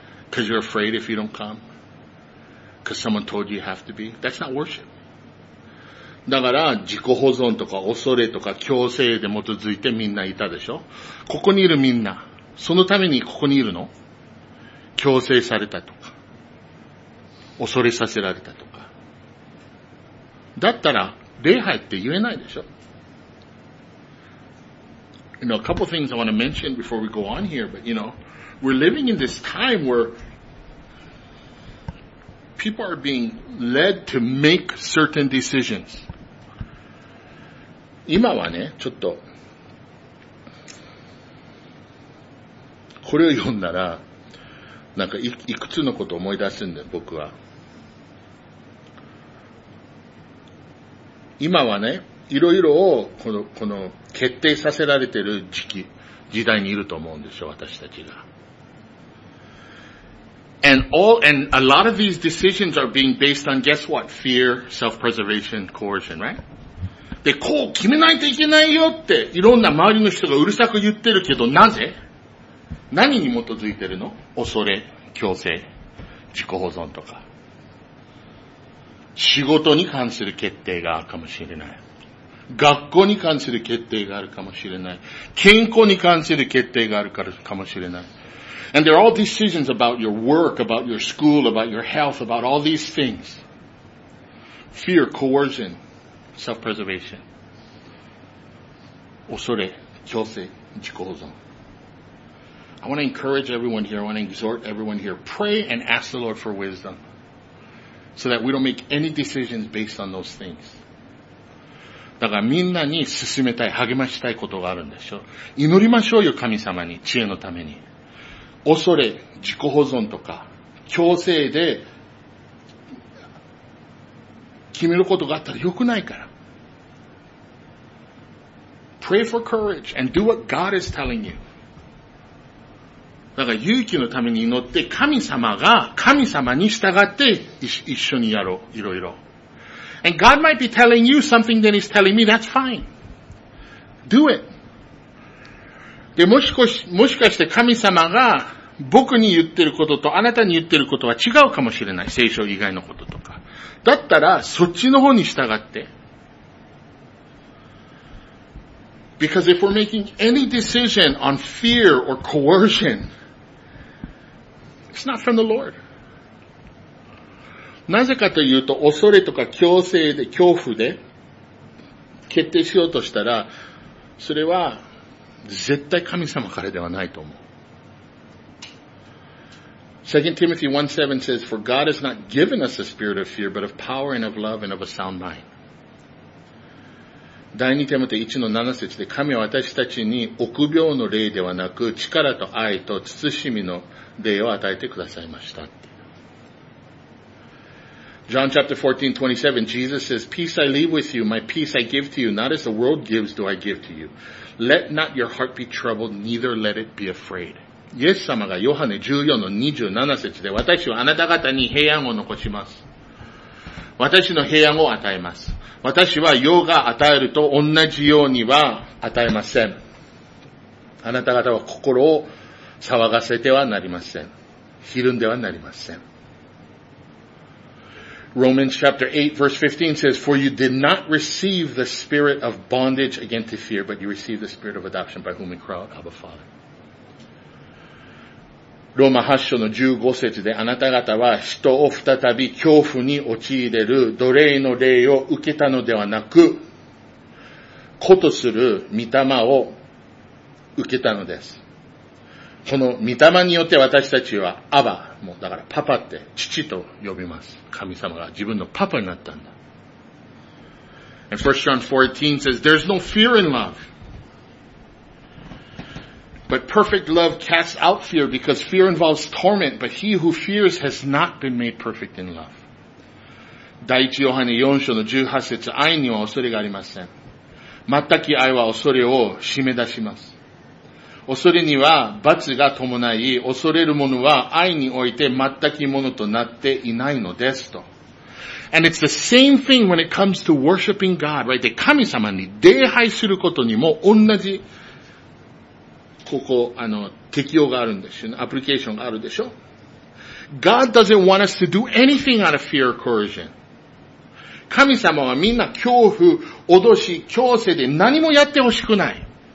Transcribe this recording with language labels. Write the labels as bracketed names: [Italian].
[English] Because you're afraid if you don't come. Because someone told you you have to be. That's not worship. [Japanese] だから自己保存とか恐れとか強制で基づいてみんないたでしょ。ここにいるみんな、そのためにここにいるの？強制されたとか、恐れさせられたとか。だったら礼拝って言えないでしょ。 [English] You know, a couple of things I want to mention before we go on here, but you know, we're living in this time where people are being led to make certain decisions. [Japanese] 今はね、ちょっとこれを読んだらなんか いくつのことを思い出すんだよ、僕は。今はね、いろいろをこの決定させられている時代にいると思うんですよ、私たちが。 [English] And a lot of these decisions are being based on guess what? Fear, self-preservation, coercion, right? [Japanese] で、こう決めないといけないよっていろんな周りの人がうるさく言ってるけど、なぜ？何に基づいてるの？恐れ、強制、自己保存とか。仕事に関する決定があるかもしれない。学校に関する決定があるかもしれない。健康に関する決定があるかもしれない。 [English] And they're all decisions about your work, about your school, about your health, about all these things. Fear, coercion. Self-preservation. [Japanese] 恐れ、強制、自己保存。 [English] I want to encourage everyone here, I want to exhort everyone here, pray and ask the Lord for wisdom. So that we don't make any decisions based on those things. [Japanese] だからみんなに進めたい、励ましたいことがあるんでしょ。祈りましょうよ、神様に、知恵のために。恐れ、自己保存とか、強制で、決めることがあったら良くないから。 [English] Pray for courage and do what God is telling you. [Japanese] だから勇気のために祈って、神様が、神様に従って一緒にやろう、いろいろ。 [English] And God might be telling you something that He's telling me, that's fine. Do it. [Japanese] で、もしかして神様が僕に言ってることとあなたに言ってることは違うかもしれない、聖書以外のこととか。だったら、そっちの方に従って。 [English] Because if we're making any decision on fear or coercion, it's not from the Lord. [Japanese] なぜかというと、恐れとか強制で、恐怖で、決定しようとしたら、それは、絶対神様からではないと思う。 [English] 2 Timothy 1:7 says, For God has not given us a spirit of fear, but of power and of love and of a sound mind. [Japanese] 第2テモテ 1-7 節で、神は私たちに臆病の霊ではなく、力と愛と慎みの霊を与えてくださいました。 [English] John chapter 14:27, Jesus says, Peace I leave with you, my peace I give to you, not as the world gives do I give to you. Let not your heart be troubled, neither let it be afraid. [Japanese] イエス様がヨハネ 14-27 節で、私はあなた方に平安を残します、私の平安を与えます、私は世が与えると同じようには与えません、あなた方は心を騒がせてはなりません、ひるんではなりません。 [English] Romans chapter 8 verse 15 says, For you did not receive the spirit of bondage again to fear, but you received the spirit of adoption by whom we cry out, Abba Father. [Japanese] ローマ8章の15節で、あなた方は人を再び恐怖に陥れる奴隷の霊を受けたのではなく、子とする御霊を受けたのです。この御霊によって私たちはアバ、もうだからパパって父と呼びます。神様が自分のパパになったんだ。 [English] And 1 John 14 says, There's no fear in love. But perfect love casts out fear because fear involves torment, but he who fears has not been made perfect in love. [Japanese] 第一ヨハネ4章の18節、愛には恐れがありません。全く愛は恐れを締め出します。恐れには罰が伴い、恐れる者は愛において全く者となっていないのですと。 [English] And it's the same thing when it comes to worshiping God, right? [Japanese] で、神様に礼拝することにも同じここ、適用があるんですよね。アプリケーションがあるでしょ。 [English] God doesn't want us to do anything out of fear or coercion. [Japanese] 神様はみんな恐怖、脅し、強制で何もやってほしくない。